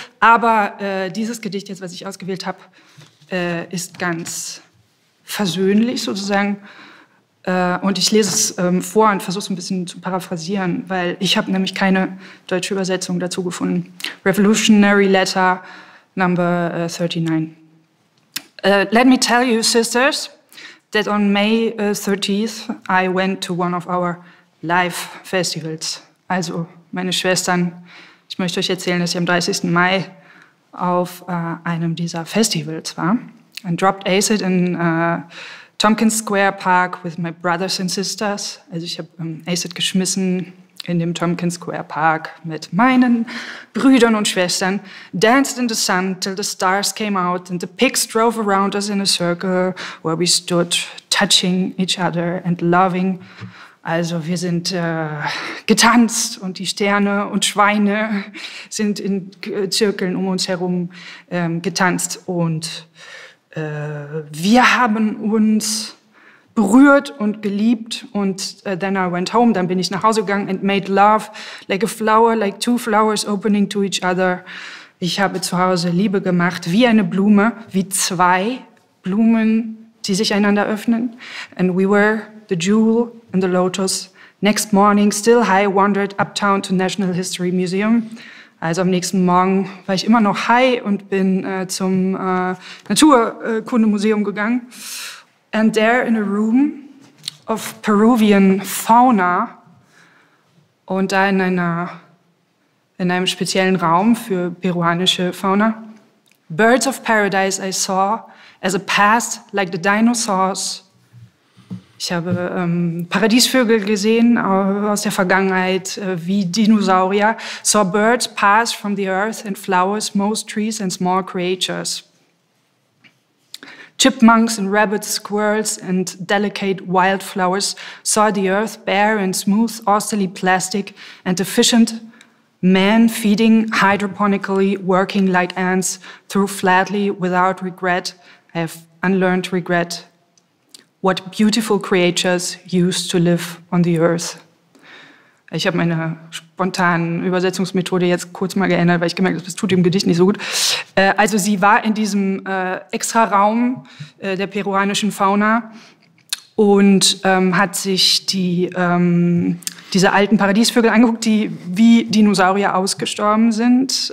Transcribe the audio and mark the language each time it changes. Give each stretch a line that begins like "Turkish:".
German: Aber dieses Gedicht jetzt, was ich ausgewählt habe, ist ganz versöhnlich sozusagen. Und ich lese es vor und versuche es ein bisschen zu paraphrasieren, weil ich habe nämlich keine deutsche Übersetzung dazu gefunden.
English: Revolutionary Letter Number 39. Let me tell you, sisters, that on May 30th I went to one of our live festivals.
German: Also, meine Schwestern, ich möchte euch erzählen, dass ich am 30. Mai auf einem dieser Festivals war
English: and dropped acid in Tompkins Square Park with my brothers and sisters.
German: Also ich habe Acid geschmissen in dem Tompkins Square Park mit meinen Brüdern und Schwestern.
English: Danced in the sun till the stars came out and the pigs drove around us in a circle where we stood touching each other and loving.
German: Also wir sind getanzt und die Sterne und Schweine sind in Zirkeln um uns herum getanzt und wir haben uns berührt und geliebt und
English: then I went home,
German: dann bin ich nach Hause gegangen
English: and made love like a flower, like two flowers opening to each other.
German: Ich habe zu Hause Liebe gemacht, wie eine Blume, wie zwei Blumen, die sich einander öffnen.
English: And we were the jewel and the lotus. Next morning, still high, wandered uptown to National History Museum.
German: Also am nächsten Morgen war ich immer noch high und bin zum Naturkundemuseum gegangen.
English: And there in a room of Peruvian fauna
German: und da in einem speziellen Raum für peruanische Fauna,
English: birds of paradise I saw as a past like the dinosaurs.
German: Ich habe Paradiesvögel gesehen aus der Vergangenheit, wie Dinosaurier.
English: Saw birds pass from the earth and flowers, most trees and small creatures. Chipmunks and rabbits, squirrels and delicate wildflowers saw the earth bare and smooth, austerly plastic and efficient, man feeding hydroponically, working like ants, through flatly without regret, I have unlearned regret. What beautiful creatures used to live on the earth.
German: Ich habe meine spontanen Übersetzungsmethode jetzt kurz mal geändert, weil ich gemerkt habe, das tut dem Gedicht nicht so gut. Also sie war in diesem extra Raum der peruanischen Fauna und hat sich die diese alten Paradiesvögel angeguckt, die wie Dinosaurier ausgestorben sind.